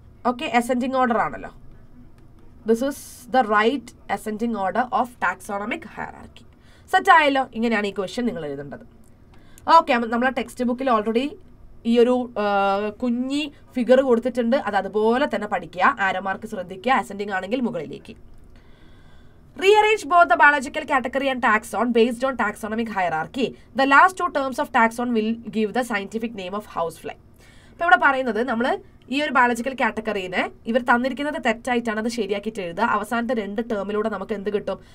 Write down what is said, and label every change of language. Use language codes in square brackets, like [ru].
[ml] Okay ascending order ആണല്ലോ. [en] This is the right ascending order of taxonomic hierarchy. [ml] സെറ്റായല്ലോ. ഇങ്ങനെയാണ് ഈ question നിങ്ങൾ എഴുതേണ്ടത്. ഓക്കെ, നമ്മൾ ടെക്സ്റ്റ് ബുക്കിൽ ഓൾറെഡി ഈ ഒരു കുഞ്ഞി ഫിഗർ കൊടുത്തിട്ടുണ്ട്, അത് അതുപോലെ തന്നെ പഠിക്കുക. ആരോ മാർക്ക് ശ്രദ്ധിക്കുക. അസെൻഡിങ് ആണെങ്കിൽ മുകളിലേക്ക്. [en] Rearrange both the biological category and taxon based on taxonomic hierarchy. The last two terms of taxon will give the scientific name of housefly. [ml] ഇപ്പോൾ ഇവിടെ പറയുന്നത് നമ്മൾ ഈ ഒരു ബയോളജിക്കൽ കാറ്റഗറീനെ ഇവർ തന്നിരിക്കുന്നത് തെറ്റായിട്ടാണ്, അത് ശരിയാക്കിയിട്ട് എഴുതുക. അവസാനത്തെ രണ്ട് ടേമിലൂടെ നമുക്ക് എന്ത് കിട്ടും?